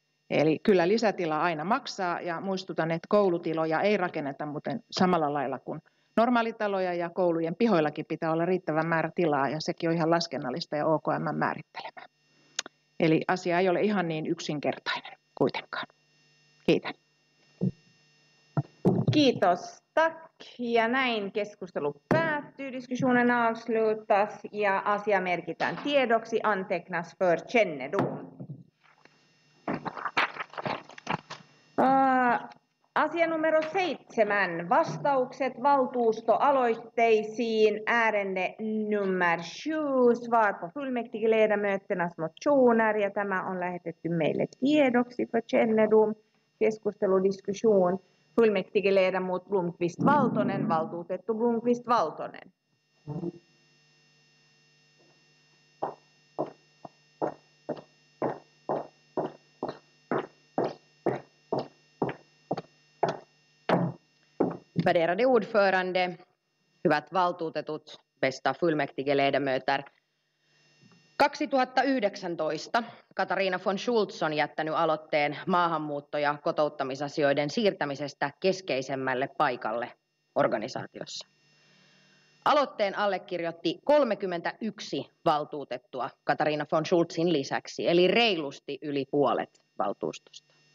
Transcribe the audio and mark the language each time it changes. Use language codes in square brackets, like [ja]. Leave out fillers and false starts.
[fi] Eli kyllä lisätila aina maksaa, ja muistutan, että koulutiloja ei rakenneta muuten samalla lailla kuin normaalitaloja, ja koulujen pihoillakin pitää olla riittävä määrä tilaa, ja sekin on ihan laskennallista ja OKM määrittelemä. Eli asia ei ole ihan niin yksinkertainen kuitenkaan. Kiitän. Kiitos, [sv] tack. [fi] Ja näin keskustelu päättyy. [sv] Diskussionen avslutas, [fi] ja asia merkitään tiedoksi. [sv] Antecknas för kännedom. [fi] Asia numero 7. Vastaukset valtuustoaloitteisiin. [sv] Ärende nummer 7. Svar på fullmäktigeledamöternas motioner. [fi] Ja tämä on lähetetty meille tiedoksi [sv] för kännedom. [fi] Keskusteludiskussion. [sv] Fullmäktigeledamot Blomqvist Valtonen. [fi] Valtuutettu Blomqvist Valtonen. [sv] Värderade ordförande, [fi] hyvät valtuutetut, [sv] bästa fullmäktigeledamöter. [fi] 2019 Katariina von Schultz on jättänyt aloitteen maahanmuutto- ja kotouttamisasioiden siirtämisestä keskeisemmälle paikalle organisaatiossa. Aloitteen allekirjoitti 31 valtuutettua Katariina von Schultzin lisäksi, eli reilusti yli puolet valtuustosta.